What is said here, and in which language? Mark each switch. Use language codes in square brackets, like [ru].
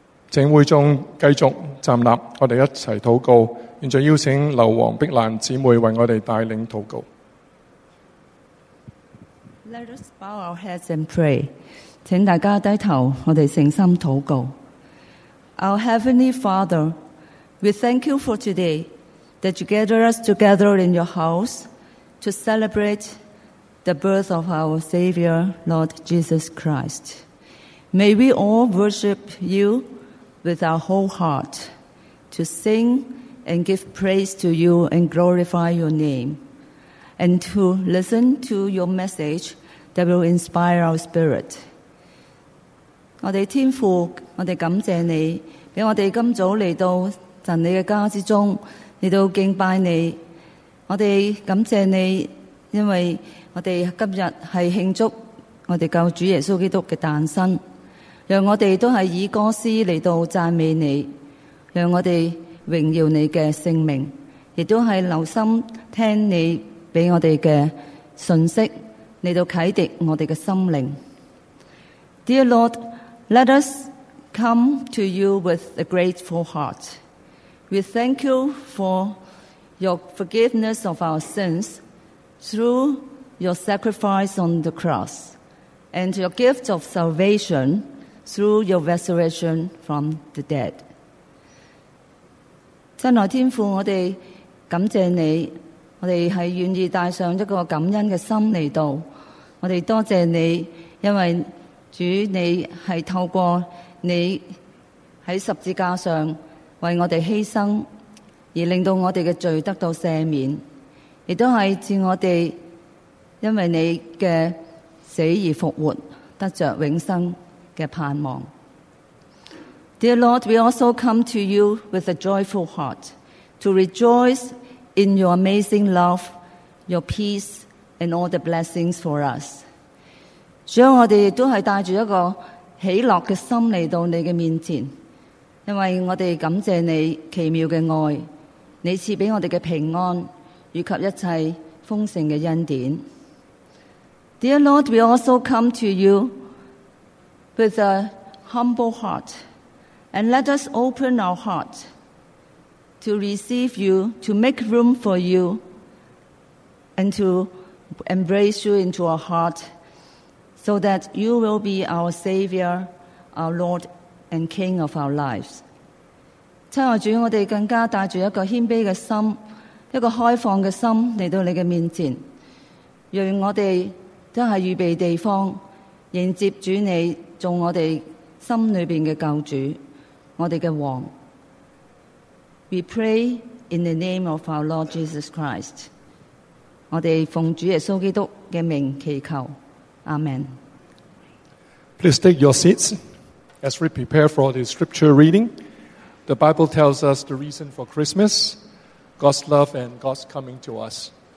[zh] 请会众继续站立，我们一起祷告。现在邀请刘王碧兰姊妹为我们带领祷告。 [en] Let us bow our heads and pray. [zh] 请大家低头，我们诚心祷告。 [en] Our Heavenly Father,We thank you for today that you gather us together in your house to celebrate the birth of our Savior, Lord Jesus Christ. May we all worship you with our whole heart to sing and give praise to you and glorify your name and to listen to your message that will inspire our spirit. [zh] 我们天父，我们感谢你，给我们今早来到神你的家之中，来到敬拜你。我们感谢你，因为我们今日是庆祝我们救主耶稣基督的诞生，让我们都是以歌诗来到赞美你，让我们荣耀你的圣名，也都是留心听你给我们的讯息，来到启迪我们的心灵。 [en] Dear Lord, let us come to you with a grateful heartWe thank you for your forgiveness of our sins through your sacrifice on the cross and your gift of salvation through your resurrection from the dead. [zh] 亲爱天父，我们感谢你，我们是愿意带上一个感恩的心来到，我们多谢你，因为主你是透过你在十字架上为我们牺牲，而令到我们的罪得到赦免，也都是赐我们因为你的死而复活，得着永生的盼望。 [en] Dear Lord, we also come to you with a joyful heart to rejoice in your amazing love, your peace and all the blessings for us. [zh] 所以我们也都是带着一个喜乐的心来到你的面前，因为我们感谢你奇妙的爱，你赐给我们的平安以及一切丰盛的恩典。 [en] Dear Lord, we also come to you with a humble heart and let us open our heart to receive you, to make room for you and to embrace you into our heart so that you will be our Savior, our Lord and King of our lives. [zh] 亲爱主，我们更加带着一个谦卑的心，一个开放的心来到你的面前，让我们都是预备地方迎接主你做我们心里面的救主，我们的王。 [en] We pray in the name of our Lord Jesus Christ. [zh] 我们奉主耶稣基督的名祈求， Amen. [en] Please take your seats as we prepare for the scripture readingThe Bible tells us the reason for Christmas, God's love and God's coming to us.